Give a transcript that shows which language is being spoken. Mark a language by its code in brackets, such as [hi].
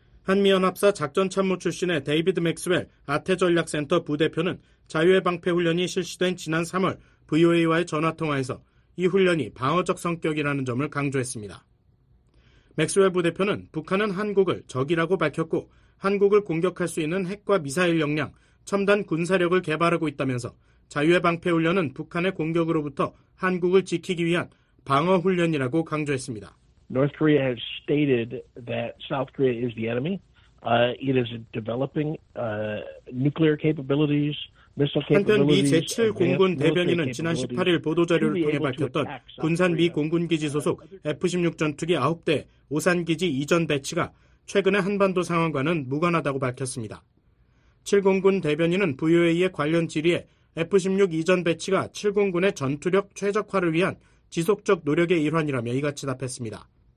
[ko] 한미연합사 작전참모 출신의 데이비드 맥스웰 아태전략센터 부대표는 자유의 방패 훈련이 실시된 지난 3월 VOA와의 전화통화에서 이 훈련이 방어적 성격이라는 점을 강조했습니다. 맥스웰 부대표는 북한은 한국을 적이라고 밝혔고 한국을 공격할 수 있는 핵과 미사일 역량, 첨단 군사력을 개발하고 있다면서 자유의 방패 훈련은 북한의 공격으로부터 한국을 지키기 위한 방어 훈련이라고 강조했습니다. [en] North Korea has stated that South Korea is the enemy. It is developing nuclear capabilities. [ko] 한편 미 제7 공군 대변인은 지난 18일 보도자료를 통해 밝혔던 군산 미 공군기지 소속 F-16 전투기 9대 오산기지 이전 배치가 최근의 한반도 상황과는 무관하다고 밝혔습니다. 70군 대변인은 VOA의 관련 질의에 F-16 이전 배치가 70군의 전투력 최적화를 위한 지속적 노력의 일환이라며 이같이 답했습니다.